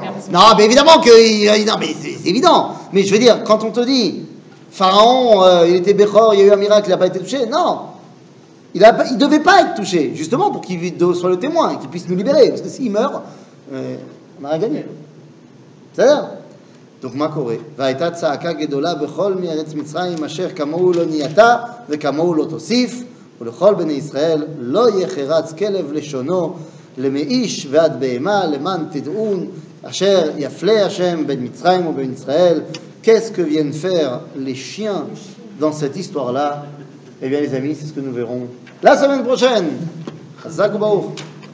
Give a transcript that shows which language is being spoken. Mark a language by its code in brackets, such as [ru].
[fr] Non, mais évidemment que non, mais c'est évident. Mais je veux dire, quand on te dit Pharaon, il était Béchor, il y a eu un miracle, il n'a pas été touché. Non, il devait pas être touché, justement pour qu'il soit le témoin et qu'il puisse nous libérer. Parce que s'il meurt, on a rien gagné. C'est ça ? [he] Donc, מה קורה? והייתה צעקה גדולה בכל מארץ מצרים אשר כמוהו לא נהייתה וכמוהו לא תוסיף ולכל בני ישראל לא יחרץ כלב לשונו למאיש ועד בהמה למען תדעון אשר יפלה השם בין מצרים ובין ישראל. [fr] Qu'est-ce que vient faire les chiens dans cette histoire-là? Eh bien, les amis, c'est ce que nous verrons la semaine prochaine. [he] חזק וברוך.